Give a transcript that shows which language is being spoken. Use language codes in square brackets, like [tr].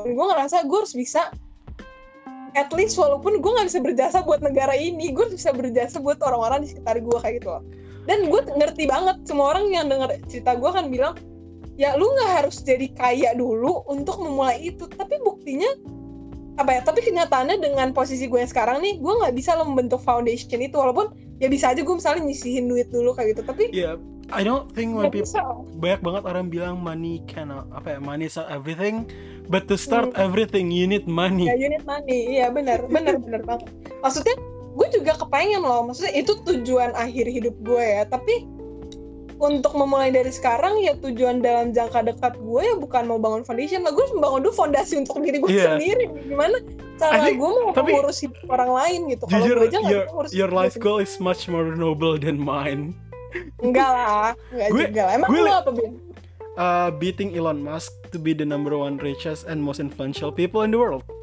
[id] Gue ngerasa gue harus bisa, [en] at least [id] walaupun gue gak bisa berjasa buat negara ini, gue bisa berjasa buat orang-orang di sekitar gue kayak gitu loh. Dan gue ngerti banget, semua orang yang denger cerita gue kan bilang, ya lu gak harus jadi kaya dulu untuk memulai itu. Tapi buktinya, apa ya, tapi kenyataannya dengan posisi gue yang sekarang nih, gue gak bisa lo membentuk foundation itu. Walaupun ya bisa aja gue misalnya nyisihin duit dulu kayak gitu. Tapi [en] yeah, I don't think when people, [id] banyak banget orang bilang [en] money cannot, [id] apa ya, [en] money is not everything, but to start everything you need money. [id] Ya, [en] you need money. [id] Iya, benar banget. Maksudnya gue juga kepengen loh, maksudnya itu tujuan akhir hidup gue ya. Tapi untuk memulai dari sekarang ya, tujuan dalam jangka dekat gue ya bukan mau bangun foundation lah, gue membangun dulu fondasi untuk diri gue sendiri. Gimana cara gue mau mengurus hidup orang lain gitu? Kalau gue aja nggak ngurus. [en] Your life goal is much more noble than mine. [id] Enggak lah. Emang gue apa, Bin? [en] Beating Elon Musk to be the number one richest and most influential people in the world.